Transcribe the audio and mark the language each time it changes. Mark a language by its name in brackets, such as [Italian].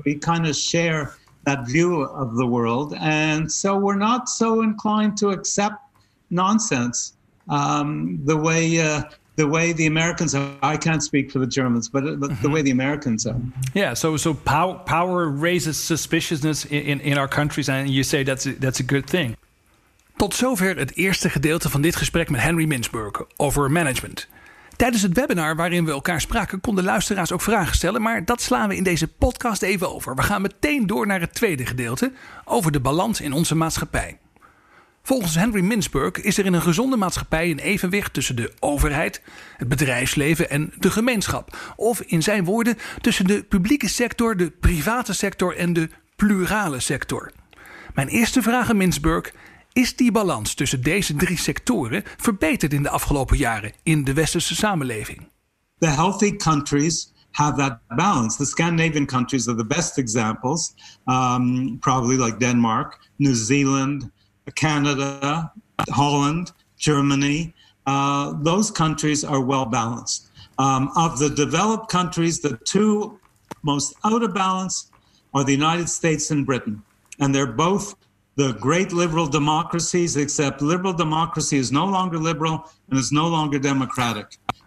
[English] We kind of share that view of the world. And so we're not so inclined to accept nonsense the way the Americans are. I can't speak for the Germans, but the way the Americans are. Yeah, so power raises suspiciousness in our countries. And you say that's a good thing. [Dutch] Tot zover het eerste gedeelte van dit gesprek met Henry Mintzberg over management. Tijdens het webinar waarin we elkaar spraken, konden luisteraars ook vragen stellen, maar dat slaan we in deze podcast even over. We gaan meteen door naar het tweede gedeelte, over de balans in onze maatschappij. Volgens Henry Mintzberg is er in een gezonde maatschappij een evenwicht tussen de overheid, het bedrijfsleven en de gemeenschap. Of in zijn woorden, tussen de publieke sector, de private sector en de plurale sector. Mijn eerste vraag aan Mintzberg: is die balans tussen deze drie sectoren verbeterd in de afgelopen jaren in de westerse samenleving? [English] The healthy countries have that balance. The Scandinavian countries are the best examples, probably like Denmark, New Zealand, Canada, Holland, Germany. Those countries are well balanced. Of the developed countries, the two most out of balance are the United States and Britain, and they're both the great liberal democracies, except liberal democracy is no longer liberal and is no longer democratic.